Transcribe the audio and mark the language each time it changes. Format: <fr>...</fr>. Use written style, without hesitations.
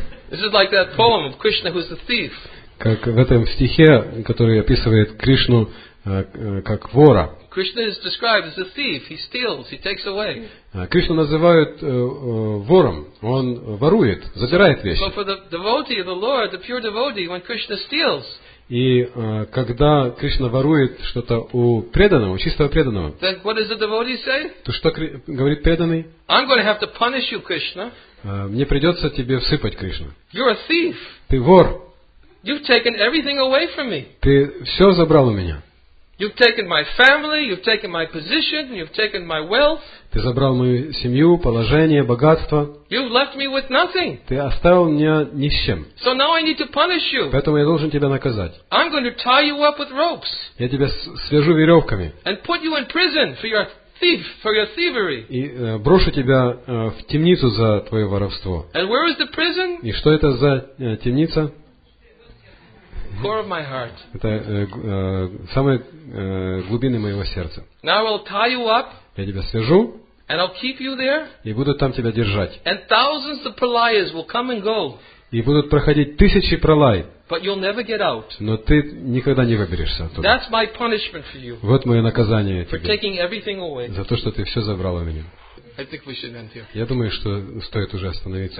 <en>This is like that poem of Krishna who's the thief.</en> <ru>Как в этом стихе, который описывает Кришну как вора.</ru> <en>Krishna is described as a thief. He steals, he takes away.</en> <ru>Кришну называют вором. Он ворует, забирает вещи.</ru> <en>So for the devotee, the Lord, the pure devotee, when Krishna steals.</en> <ru>И когда Кришна ворует что-то у преданного, у чистого преданного,</ru> <en>then what does the devotee say?</en> <ru>То что говорит преданный?</ru> <en>I'm going to have to punish you, Krishna.</en> <ru>Мне придется тебе всыпать, Кришна.</ru> <en>You're a thief.</en> <ru>Ты вор.</ru> <en>You've taken everything away from me.</en> <ru>Ты все забрал у меня.</ru> <en>You've taken my family, you've taken my position, you've taken my wealth.</en> <ru>Ты забрал мою семью, положение, богатство.</ru> <en>You've left me with nothing.</en> <ru>Ты оставил меня ни с чем.</ru> <en>So now I need to punish you.</en> <ru>Поэтому я должен тебя наказать.</ru> <en>I'm going to tie you up with ropes.</en> <ru>Я тебя свяжу веревками.</ru> <en>And put you in prison for your thief, for your thievery.</en> <ru>И брошу тебя в темницу за твое воровство.</ru> <en>And where is the prison?</en> <ru>И что это за темница?</ru> <en>Core of my heart.</en> <ru>Это самые глубины моего сердца.</ru> <en>Now I will tie you up.</en> <ru>Я тебя свяжу.</ru> <en>And I'll keep you there.</en> <ru>И буду там тебя держать.</ru> <en>And thousands of pralayas will come and go.</en> <ru>И будут проходить тысячи пралай.</ru> <en>But you'll never get out.</en> <ru>Но ты никогда не выберешься оттуда.</ru> <en>That's my punishment for you.</en> <ru>Вот мое наказание тебе.</ru> <en>For taking everything away.</en> <ru>За то, что ты все забрал у меня.</ru> <en>I think we should end here.</en> <ru>Я думаю, что стоит уже остановиться.</ru>